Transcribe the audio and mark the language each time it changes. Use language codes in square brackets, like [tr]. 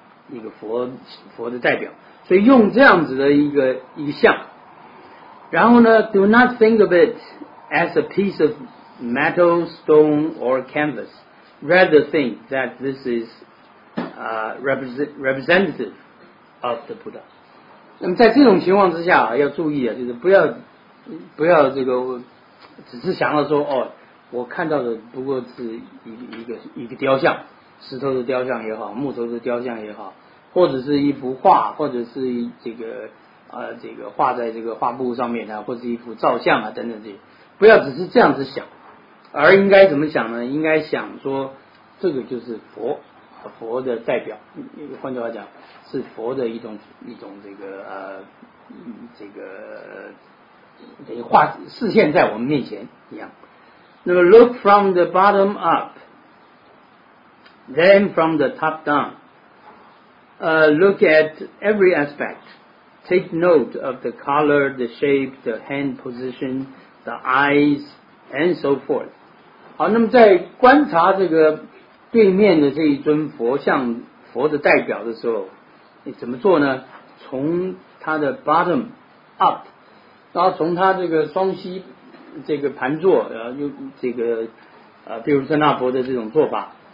[zh] 一个佛的代表，所以用这样子的一个像，然后呢 [en] do not think of it as a piece of metal, stone or canvas, rather think that this is representative of the Buddha. [zh] 那么在这种情况之下，要注意啊，就是不要这个只是想到说我看到的不过是一个雕像，石头的雕像也好，木头的雕像也好，或者是一幅画，或者是这个画在这个画布上面啊，或者是一幅照相啊等等这些，不要只是这样子想，而应该怎么想呢？应该想说这个就是佛的代表，换句话讲是佛的一种这个画视线在我们面前一样。那么 [en] look from the bottom up,Then from the top down, look at every aspect. Take note of the color, the shape, the hand position, the eyes, and so forth. [zh] 好，那么在观察这个对面的这一尊佛像，佛的代表的时候，你怎么做呢？从它的 [en] bottom up, [zh] 然后从它这个双膝这个盘坐，用这个譬如说那佛的这种做法。